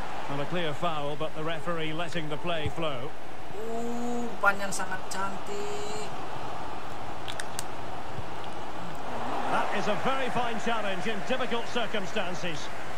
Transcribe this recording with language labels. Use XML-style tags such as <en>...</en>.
<en>And a clear foul, but the referee letting the play flow.</en> <ms>Umpan yang sangat cantik.</ms> <en>That is a very fine challenge in difficult circumstances.</en>